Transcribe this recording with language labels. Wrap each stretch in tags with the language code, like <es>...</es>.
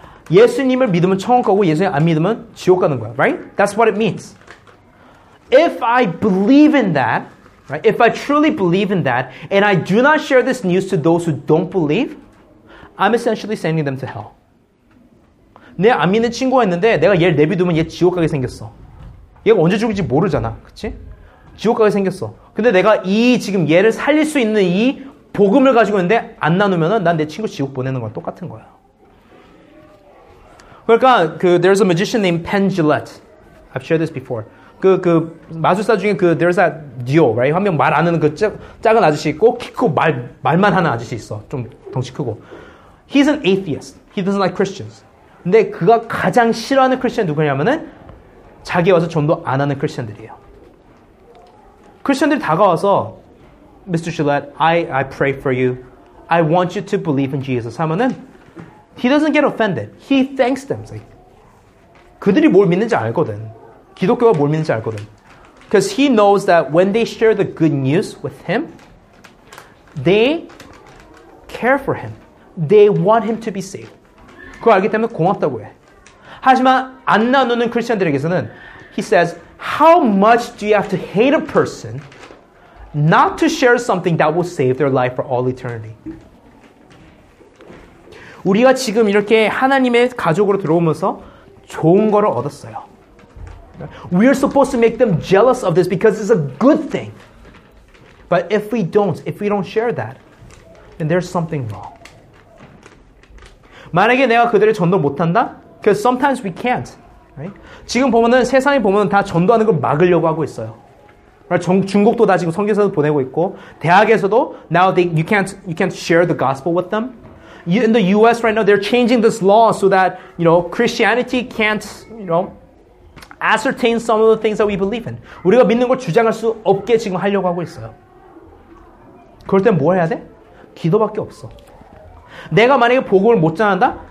<ko>예수님을 믿으면 천국 가고 예수님 안 믿으면 지옥 가는 거야,</ko> <en>right? That's what it means. If I believe in that, right? If I truly believe in that, and I do not share this news to those who don't believe, I'm essentially sending them to hell.</en> <ko>내 안 믿는 친구가 있는데 내가 얘를 내비두면 얘 지옥 가게 생겼어. 얘가 언제 죽을지 모르잖아, 그치? 지옥 가게 생겼어. 근데 내가 이 지금 얘를 살릴 수 있는 이 복음을 가지고 있는데 안 나누면은 난 내 친구 지옥 보내는 거랑 똑같은 거야. 그러니까 그</ko> <en>there's a magician named Penn Jillette. I've shared this before.</en> <ko>그 마술사 중에 그</ko> <en>there's a duo, right?</en> <ko>한 명 말 안 하는 그 작은 아저씨 있고 키 크고 말만 하는 아저씨 있어. 좀 덩치 크고.</ko> <en>He's an atheist. He doesn't like Christians.</en> <ko>근데 그가 가장 싫어하는 크리스천 누구냐면은 자기 와서 전도 안 하는 크리스천들이에요. 크리스천들이 다가와서 Mr.</ko> <en>Gillette, I pray for you. I want you to believe in Jesus.</en> <ko>하면은</ko> <en>he doesn't get offended. He thanks them. Like,</en> <ko>그들이 뭘 믿는지 알거든. 기독교가 뭘 믿는지 알거든.</ko> <en>Because he knows that when they share the good news with him, they care for him. They want him to be saved.</en> <ko>그거 알기 때문에 고맙다고 해. 하지만 안 나누는 크리스천들에게서는</ko> <en>he says, how much do you have to hate a person not to share something that will save their life for all eternity?</en> <ko>우리가 지금 이렇게 하나님의 가족으로 들어오면서 좋은 거를 얻었어요.</ko> <en>We are supposed to make them jealous of this because it's a good thing. But if we don't share that, then there's something wrong.</en> <ko>만약에 내가 그들의 전도 못한다?</ko> <en>Because sometimes we can't. Right?</en> <ko>지금 보면은 세상에 보면은 다 전도하는 걸 막으려고 하고 있어요.</ko> <en>Right?</en> <ko>중국도 다 지금 선교사도 보내고 있고 대학에서도</ko> <en>now you can't share the gospel with them. In the U.S. right now, they're changing this law so that you know Christianity can't you know ascertain some of the things that we believe in.</en> <ko>우리가 믿는 걸 주장할 수 없게 지금 하려고 하고 있어요. 그럴 땐 뭐 해야 돼? 기도밖에 없어. 내가 만약에 복음을 못 전한다?</ko>